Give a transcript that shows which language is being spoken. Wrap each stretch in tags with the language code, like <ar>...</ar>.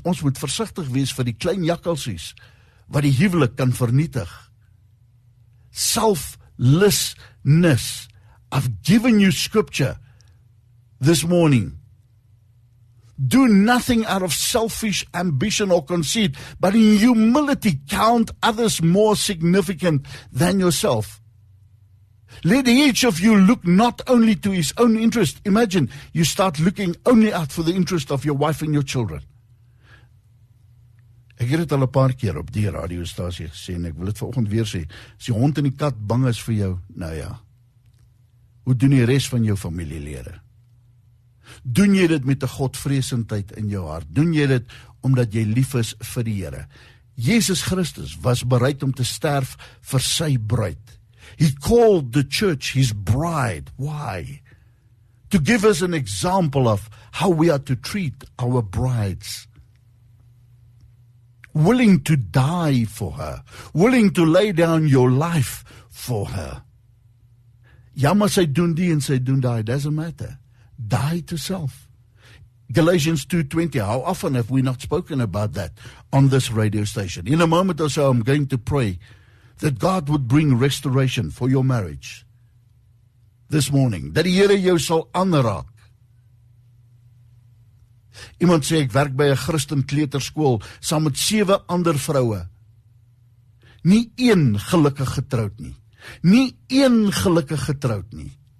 <af>Ons moet versigtig wees vir die klein jakkelsies wat die huwelik kan vernietig.</af> <en>Selflessness. I've given you scripture this morning. Do nothing out of selfish ambition or conceit, but in humility count others more significant than yourself. Let each of you look not only to his own interest. Imagine you start looking only out for the interest of your wife and your children.</en> <af>Ek het al 'n paar keer op die radiostasie gesê en ek wil dit vanoggend weer sê. As die hond en die kat bang is vir jou, nou ja. Hoe doen die res van jou familielede? Doen jy dit met 'n godvreesendheid in jou hart? Doen jy dit omdat jy lief is vir die Here? Jesus Christus was bereid om te sterf vir sy bruid.</af> <en>He called the church his bride. Why? To give us an example of how we are to treat our brides. Willing to die for her. Willing to lay down your life for her.</en> <af>Ja, maar sy doen die en sy doen die.</af> <en>Doesn't matter. Die to self. Galatians 2:20. How often have we not spoken about that on this radio station? In a moment or so, I'm going to pray that God would bring restoration for your marriage this morning.</en> <af>Dat die Here jou sal aanraak. Iemand sê, ek werk by 'n Christen kleuterskool saam met 7 ander vroue. Nie een gelukkig getroud nie. Nie een gelukkig getroud nie.</af>